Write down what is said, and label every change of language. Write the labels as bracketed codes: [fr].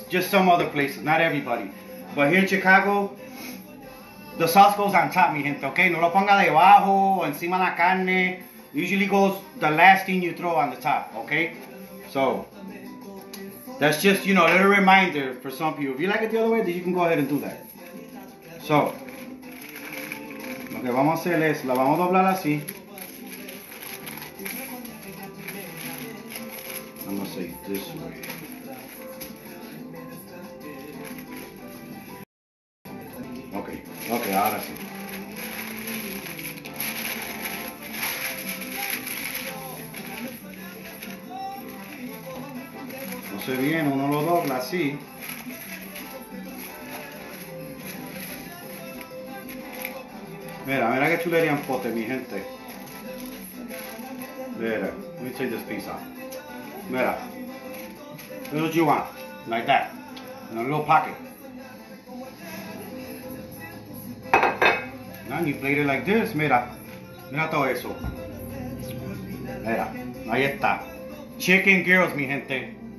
[en] Just some other places, not everybody. But here in Chicago, the sauce goes on top, [es] mi gente, [en] okay? [es] No lo ponga debajo, encima la carne. [en] Usually goes the last thing you throw on the top, okay? So, that's just, you know, a little reminder for some people. If you like it the other way, then you can go ahead and do that. [es] So, lo que vamos a hacer es, la vamos a doblar así. [en] I'm gonna say this way. [es] Okay, okay, ahora sí. Bien, uno lo dobla así. Mira, mira que chulería en pote, mi gente. [en] Mira, let me take this piece off. Mira, this is what you want, like that, in a little pocket. Now you plate it like this, [es] mira, mira todo eso. Mira, ahí está. Chicken Gyros, mi gente.